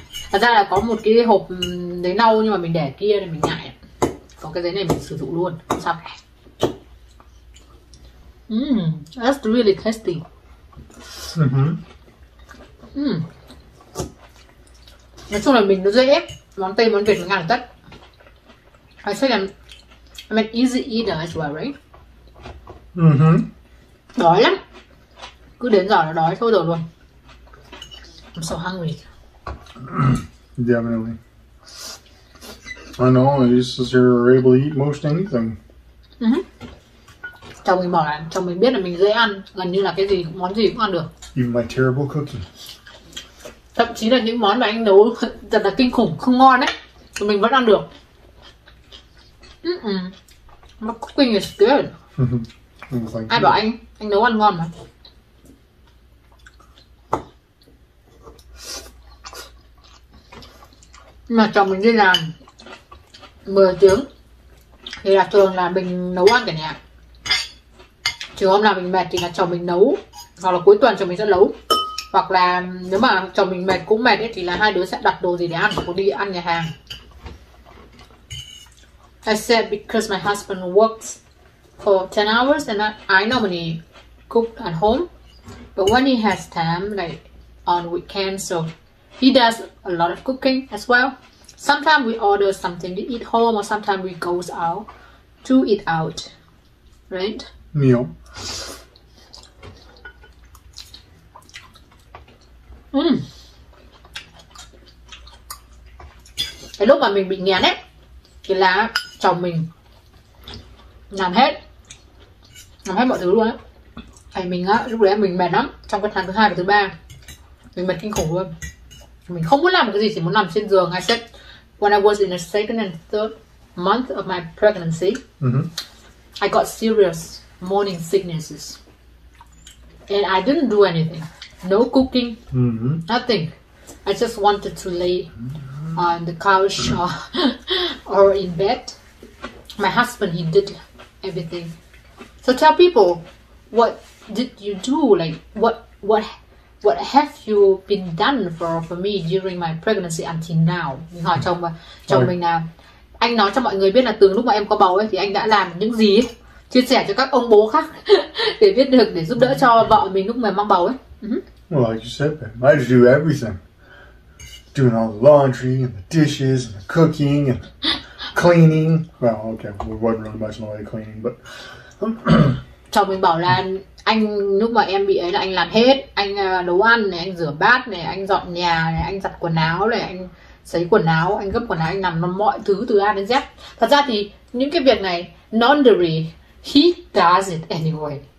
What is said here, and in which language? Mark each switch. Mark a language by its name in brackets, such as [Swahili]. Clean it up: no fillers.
[Vietnamese] Thật ra là có một cái hộp giấy nâu nhưng mà mình để kia thì mình ngại. Có cái giấy này mình sử dụng luôn, không sao cả. [English] That's really tasty. [Vietnamese] Nói chung là mình nó dễ ép, món Tây món Việt mình ăn tất. [English] I say I'm an easy eater as well, right? [Vietnamese] Đói lắm. Cứ đến giờ là đói thôi rồi luôn. [English] I'm so hungry. Definitely. I know, this is you're able to eat most anything. [Vietnamese] Chồng mình bảo là, chồng mình biết là mình dễ ăn, gần như là cái gì, món gì cũng ăn được. [English] Even my terrible cooking. [Vietnamese] Thậm chí là những món mà anh nấu thật là kinh khủng, không ngon ấy, thì mình vẫn ăn được. [English] My cooking is good. [Vietnamese] Ai bảo anh nấu ăn ngon mà. Mà chồng mình đi làm 10 tiếng thì là thường là mình nấu ăn cả nhà. Trường hôm nào mình mệt thì là chồng mình nấu, hoặc là cuối tuần chồng mình sẽ nấu, hoặc là nếu mà chồng mình mệt cũng mệt ấy, thì là hai đứa sẽ đặt đồ gì để ăn hoặc đi ăn nhà hàng. [English] I said because my husband works for 10 hours and I normally cook at home, but when he has time, like on weekends, so he does a lot of cooking as well. Sometimes we order something to eat home, or sometimes we go out to eat out, right? Meal. [Vietnamese] Cái lúc mà mình bị nghẹn ấy, thì là chồng mình làm hết mọi thứ luôn á. Mình á, lúc đấy mình mệt lắm, trong cái tháng thứ hai và thứ ba mình mệt kinh khủng luôn, mình không muốn làm cái gì, chỉ muốn nằm trên giường. [English] I said when I was in the second and third month of my pregnancy, I got serious morning sicknesses and I didn't do anything. No cooking, nothing. I just wanted to lay on the couch or in bed. My husband, he did everything. So tell people, what did you do? Like, what have you been done for me during my pregnancy until now? [Vietnamese] Mình hỏi chồng mình là, anh nói cho mọi người biết là từ lúc mà em có bầu ấy, thì anh đã làm những gì ấy? Chia sẻ cho các ông bố khác để biết được, để giúp đỡ cho vợ mình lúc mà mang bầu ấy. [English] Well, like you said, babe, I had to do everything. Doing all the laundry and the dishes and the cooking and the cleaning. Well, okay, we wasn't really much in the way of cleaning, but... [Vietnamese] Chồng mình bảo là anh lúc mà em bị ấy là anh làm hết. Anh nấu ăn này, anh rửa bát này, anh dọn nhà này, anh giặt quần áo này, anh sấy quần áo, anh gấp quần áo, anh làm mọi thứ từ A đến Z. Thật ra thì những cái việc này, laundry, [English] he does it anyway.